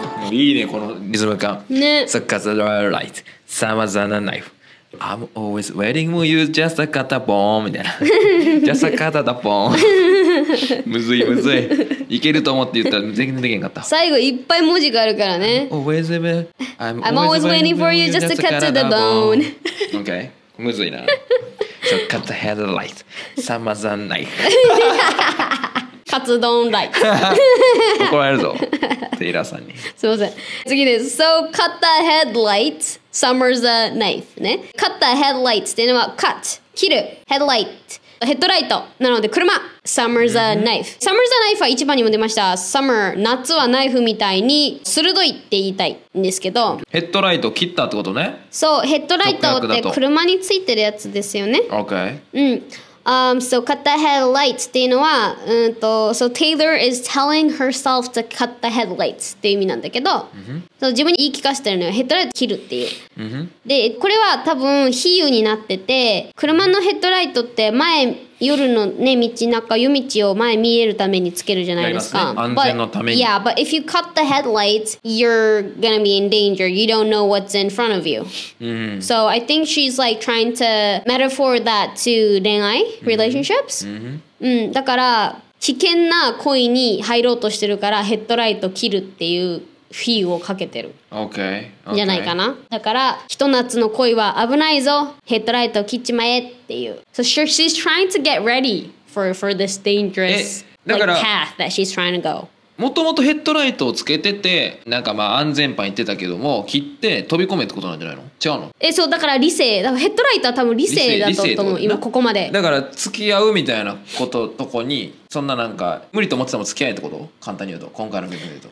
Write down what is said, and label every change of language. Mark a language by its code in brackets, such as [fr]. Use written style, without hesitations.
[ja] いいねこのリズム感ね。 [en] So cut the light, summer's a knifeI'm always waiting for you, just a cut a bone [ja] みたいな。 [en] Just a cut a bone [ja] むずいむずい。いけると思って言ったら全然できなかった。最後いっぱい文字があるからね。 [en] I'm always waiting for you, just a cut to the bone. OK? [ja] むずいな。 [en] So cut the head of the light. Summer's a knife. [ja] カツ丼ライト。怒られるぞ。テイラーさんに。すいません。次です。 [en] So cut the headlight, summer's a knife ね。 [ja] Cut the headlight っていうのは cut 切る headlight ヘッドライトなので車。 [en] Summer's a knife、 [ja] うん。 Summer's a knife は一番にも出ました。Summer 夏はナイフみたいに鋭いって言いたいんですけど。ヘッドライト切ったってことね。そう、ヘッドライトって車についてるやつですよね。 OK。うん。So cut the headlights っていうのは、うんと、 [en] so Taylor is telling herself to cut the headlights [ja] っていう意味なんだけど、 mm-hmm. そう自分に言い聞かせてるのよ、ヘッドライト切るっていう、 mm-hmm. でこれは多分比喩になってて、車のヘッドライトって前夜のね道中夜道を前見えるためにつけるじゃないですか、ね、安全のために。 [en] but, Yeah, but if you cut the headlights, you're gonna be in danger. You don't know what's in front of you、 mm-hmm. So I think she's like trying to metaphor that to 恋愛 relationships、 mm-hmm. [ja] うん、だから危険な恋に入ろうとしてるからヘッドライト切るっていうフィーをかけてる。 [en] OK, okay. [ja] じゃないかな。だからひと夏の恋は危ないぞ、ヘッドライト切っちまえっていう。 [en] So she's trying to get ready for this dangerous like, path that she's trying to go。 [ja] もともとヘッドライトをつけてて、なんかまあ安全パン言ってたけども、切って飛び込めってことなんじゃないの？違うの？そうだから理性だから、ヘッドライトは多分理性だったと思う今ここまで。だから付き合うみたいなこととこにそんななんか無理と思ってても付き合えってこと？簡単に言うと今回の部分で言うと。